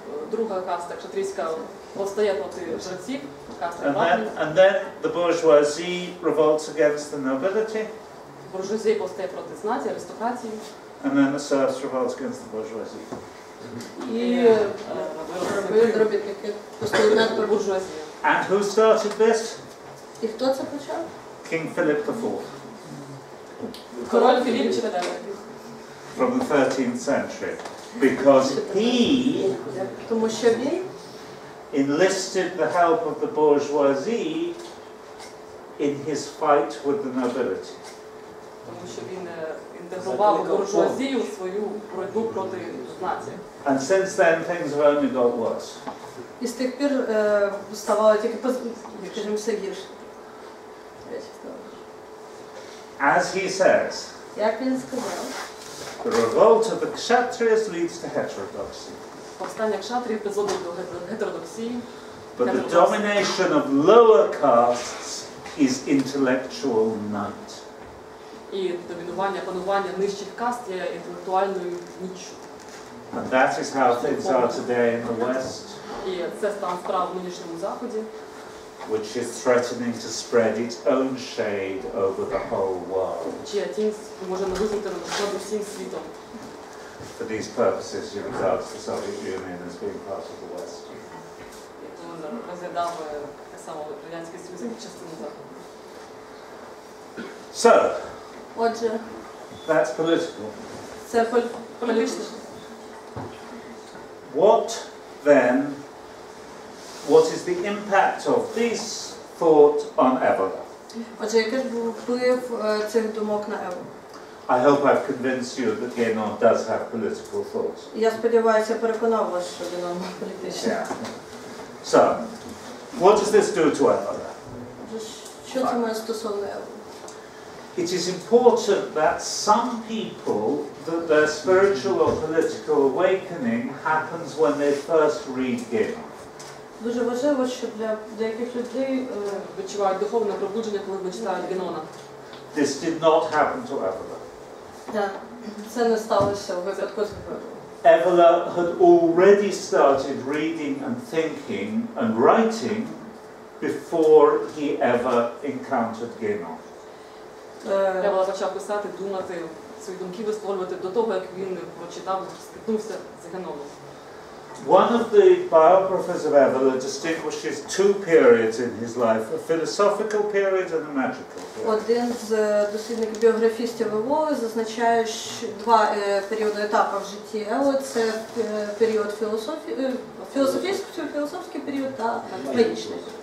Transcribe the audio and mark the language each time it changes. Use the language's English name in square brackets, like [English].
[Ukrainian] друга каста, кшатрійська, повстає проти жреців, каста Пломінь. [English] And then the bourgeoisie revolts against the nobility. [Ukrainian] Буржуазія повстає проти знаті, аристократії. [English] And then the serfs revolt against the bourgeoisie. [Ukrainian] І робітники повстають над буржуазією. [English] And who started this? [Ukrainian] І хто це почав? [English] King Philip IV. [Ukrainian] Король Філіп IV. [English] From the 13th century. Because he enlisted the help of the bourgeoisie in his fight with the nobility. [Ukrainian] Тому що він інтегрував буржуазію в свою боротьбу проти знаті. [English] And since then things have only got worse. [Ukrainian] І з тих пір ставало тільки, скажімо, все гірше. [English] As he says, [Ukrainian] як він сказав, [English] the revolt of the kshatriyas leads to heterodoxy. [Ukrainian] Повстання кшатріїв призводить до гетеродоксії. [English] But the domination of lower castes is intellectual night. [Ukrainian] І домінування, панування нижчих каст є інтелектуальною ніччю. [English] And that is how things are today in the West. [Ukrainian] І це стан справ в нинішньому Заході. [English] Which is threatening to spread its own shade over the whole world. [Ukrainian] Чия тінь може нависнути над усім світом. [English] For these purposes, you regard the Soviet Union as being part of the West. [Ukrainian] І тому розглядав так само Радянський Союз як частину Заходу. [English] So, [Ukrainian] отже, [English] that's political. [Ukrainian] Це політично. [English] What then, what is the impact of this thought on Evola? [Ukrainian] Отже, який був вплив цих думок на Еволу? [English] I hope I've convinced you that Генон does have political thoughts. [Ukrainian] Я сподіваюся, переконав вас, що Генон політичний. [English] So, what does this do to Evola? [Ukrainian] Що це має стосовно Еволи? [English] It is important that some people, that their spiritual or political awakening happens when they first read Генон. [Ukrainian] Дуже важливо, що для деяких людей відчувають духовне пробудження, коли вони читають Генона. [English] This did not happen to Evola. [Ukrainian] Це не сталося в випадку з Евола. [English] Evola had already started reading and thinking and writing before he ever encountered Генон. [Ukrainian] Евола почав писати, думати, свої думки висловлювати до того, як він прочитав, стикнувся з Геноном. [English] One of the biographers of Evola distinguishes two periods in his life, a philosophical period and a magical period. [Ukrainian] Один з дослідників біографістів Еволи зазначає два періоди етапу в житті Еволи. Це період філософський період та магічний.